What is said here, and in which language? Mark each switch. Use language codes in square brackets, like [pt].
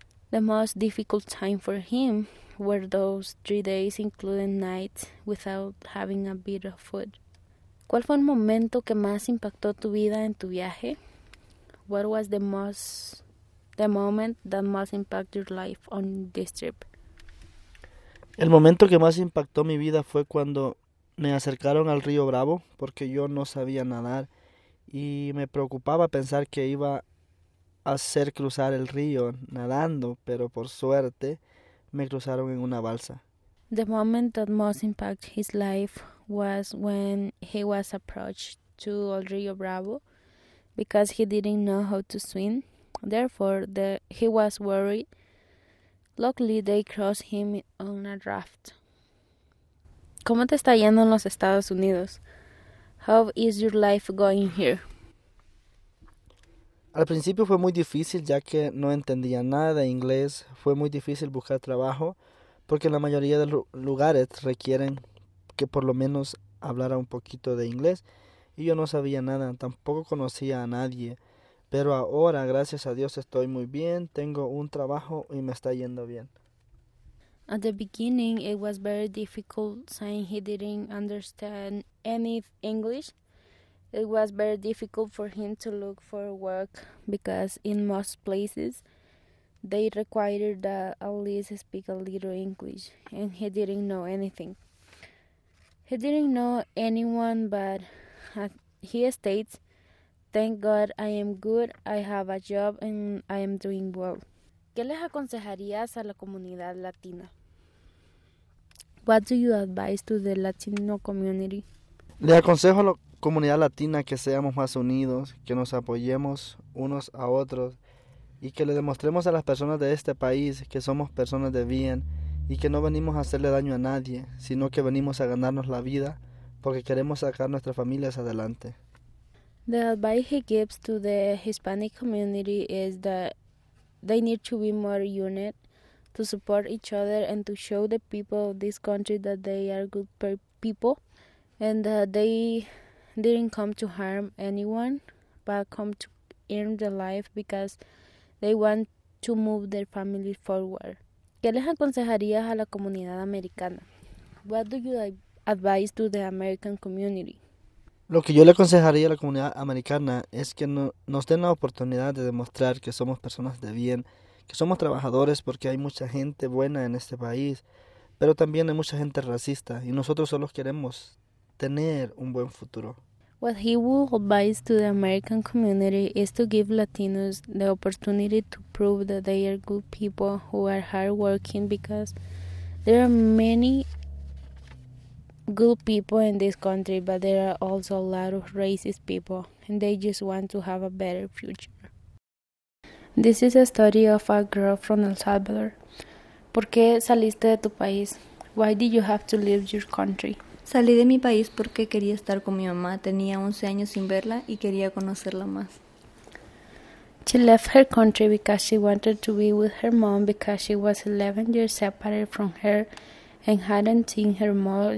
[en] The most difficult time for him were those 3 days, including nights, without having a bit of food. [es] ¿Cuál fue el momento que más impactó tu vida en tu viaje? [en] What was the moment that most impacted your life on this trip? [es] El momento que más impactó mi vida fue cuando me acercaron al río Bravo, porque yo no sabía nadar y me preocupaba pensar que iba a hacer cruzar el río nadando, pero por suerte me cruzaron en una balsa. [en] The moment that most impacted his life was when he was approached to El Rio Bravo because he didn't know how to swim. Therefore, he was worried. Luckily, they crossed him on a raft. [es] ¿Cómo te está yendo en los Estados Unidos? [en] How is your life going here? [es] Al principio fue muy difícil ya que no entendía nada de inglés. Fue muy difícil buscar trabajo porque la mayoría de los lugares requieren que por lo menos hablara un poquito de inglés. Y yo no sabía nada, tampoco conocía a nadie. Pero ahora, gracias a Dios, estoy muy bien, tengo un trabajo y me está yendo bien. [en] At the beginning, it was very difficult saying he didn't understand any English. It was very difficult for him to look for work because in most places they required that at least speak a little English, and he didn't know anything. He didn't know anyone, but he states, "Thank God I am good, I have a job, and I am doing well." [es] ¿Qué les aconsejarías a la comunidad latina? [en] What do you advise to the Latino community? [es] Le aconsejo a la comunidad latina que seamos más unidos, que nos apoyemos unos a otros y que le demostremos a las personas de este país que somos personas de bien y que no venimos a hacerle daño a nadie, sino que venimos a ganarnos la vida porque queremos sacar nuestras familias adelante. [en] The advice he gives to the Hispanic community is that they need to be more united, to support each other and to show the people of this country that they are good people and that they didn't come to harm anyone but come to earn their life because they want to move their family forward. [es] ¿Qué les aconsejarías a la comunidad americana? [en] What do you advise to the American community? [es] Lo que yo le aconsejaría a la comunidad americana es que nos den la oportunidad de demostrar que somos personas de bien, que somos trabajadores porque hay mucha gente buena en este país, pero también hay mucha gente racista y nosotros solo queremos tener un buen futuro. [en] What he would advise to the American community is to give Latinos the opportunity to prove that they are good people who are hardworking because there are many good people in this country, but there are also a lot of racist people and they just want to have a better future. This is a story of a girl from El Salvador. [es] ¿Por qué saliste de tu país? [en] Why did you have to leave your country? [es] Salí de mi país porque quería estar con mi mamá. Tenía 11 años sin verla y quería conocerla más. [en] She left her country because she wanted to be with her mom because she was 11 years separated from her and hadn't seen her mother.